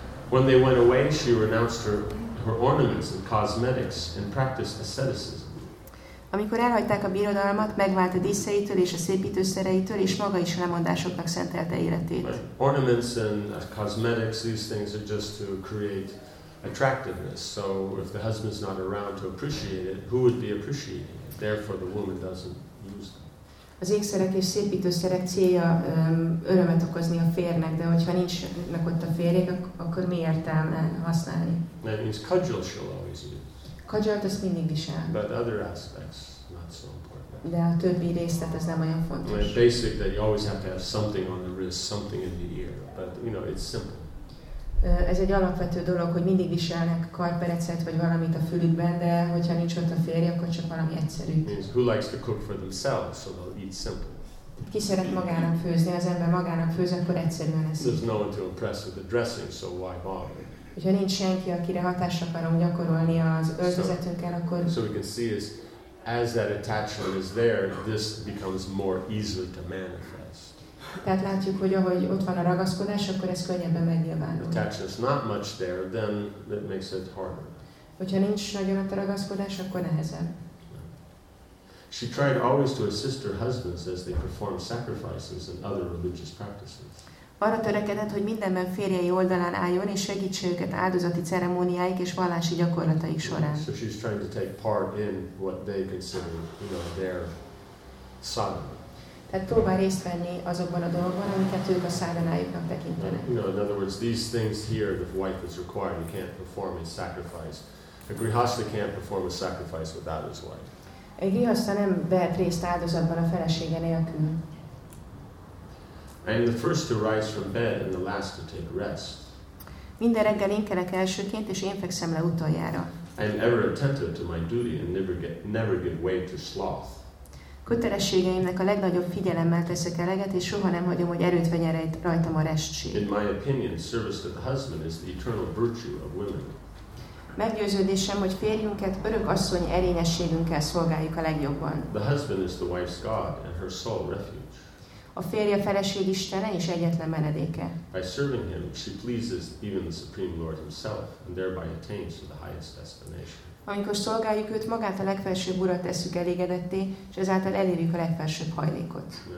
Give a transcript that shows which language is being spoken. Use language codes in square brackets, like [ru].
[en] When they went away, she renounced her ornaments and cosmetics and practiced asceticism. [hu] Amikor elhagyták a birodalmat, megvált a díszeitől és a szépítőszereitől, és maga is lemondásoknak szentelte életét. [en] Right. Ornaments and cosmetics, these things are just to create attractiveness. So if the husband's not around to appreciate it, who would be appreciating it? Therefore the woman doesn't use them. [hu] Az ékszerek és szépítőszerek célja örömet okozni a férnek, de hogyha nincs meg ott a férjék, akkor mi értelme használni? [en] That means cudgel she'll always use. [hu] Kajalt azt mindig visel. [en] But other aspects, not so important. [hu] De a többi részlet az nem olyan fontos. [en] Like basic that you always have to have something on the wrist, something in the ear. But you know, it's simple. [hu] Ez egy alapvető dolog, hogy mindig viselnek karperecet vagy valamit a fülükben, de hogyha nincs ott a férje, akkor csak valami egyszerű. [en] Who likes to cook for themselves, so they'll eat simple. [hu] Ki szeret magának főzni, az ember magának főz, akkor egyszerűen eszik. [en] There's no one to impress with the dressing, so why bother? [hu] Hogyha nincs senki, akire hatásra akarom gyakorolni az öltözetünkkel, akkor... [en] So we can see is, as that attachment is there, this becomes more easily to manifest. [hu] Tehát látjuk, hogy ahogy ott van a ragaszkodás, akkor ez könnyebben megnyilvánul. [en] Attachment's not much there, then it makes it harder. [hu] Hogyha nincs nagyon ott a ragaszkodás, akkor nehezebb. [en] She tried always to assist her husbands as they performed sacrifices and other religious practices. [hu] Arra törekedett, hogy mindenben férjei oldalán álljon és segítse őket áldozati ceremóniáik és vallási gyakorlataik során. [en] So she's trying to take part in what they consider, you know, their sadhana. [hu] Tehát próbál részt venni azokban a dolgokban, amiket ők a szádanájuknak tekintenek. [en] You know, in other words, these things here, the wife is required, he can't perform a sacrifice. A grihasta can't perform a sacrifice without his wife. [hu] A grihasta nem vehet részt áldozatban a felesége nélkül. [en] I am the first to rise from bed and the last to take rest. [hu] Minden reggel én kelek elsőként, és én fekszem le utoljára. [en] I am ever attentive to my duty and never give way to sloth. [hu] Kötelességeimnek a legnagyobb figyelemmel teszek eleget, és soha nem hagyom, hogy erőt vegyen rajtam a restség. [en] In my opinion, service to the husband is the eternal virtue of women. [hu] Meggyőződésem, hogy férjünket örök asszony erényességünkkel szolgáljuk a legjobban. [en] The husband is the wife's god and her sole refuge. [hu] A férje a feleség istene és egyetlen menedéke. [en] By serving him, she pleases even the Supreme Lord himself, and thereby attains to the highest destination. [hu] Amikor szolgáljuk őt, magát a legfelsőbb urat tesszük elégedetté, és ezáltal elérjük a legfelsőbb hajlékot.